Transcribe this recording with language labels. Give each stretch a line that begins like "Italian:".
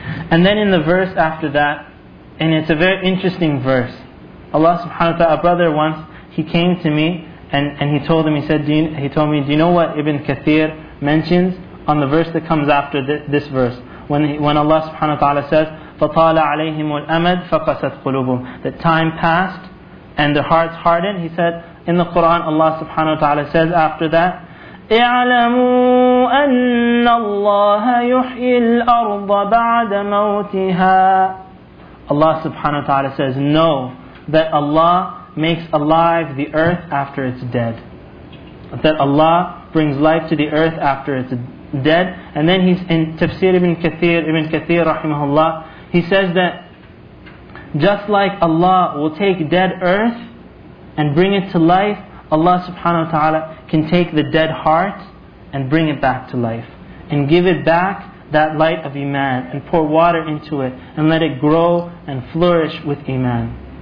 English: And then in the verse after that, and it's a very interesting verse, Allah subhanahu wa ta'ala, a brother once, he came to me and he told him, he said, he told me, do you know what Ibn Kathir mentions on the verse that comes after this verse? When Allah subhanahu wa ta'ala says,
Arabic: فَطَالَ عَلَيْهِمُ الْأَمَدُ فَقَسَتْ قُلُوبُهُمْ.
English: That time passed and their hearts hardened. He said in the Quran, Allah subhanahu wa ta'ala says after that,
Arabic: اعلموا أن الله يحيي الأرض بعد موتها.
English: Allah subhanahu wa ta'ala says, know that Allah makes alive the earth after it's dead. That Allah brings life to the earth after it's dead. And then he's in Tafsir Ibn Kathir rahimahullah, he says that just like Allah will take dead earth and bring it to life, Allah subhanahu wa ta'ala can take the dead heart and bring it back to life and give it back that light of Iman and pour water into it and let it grow and flourish with Iman.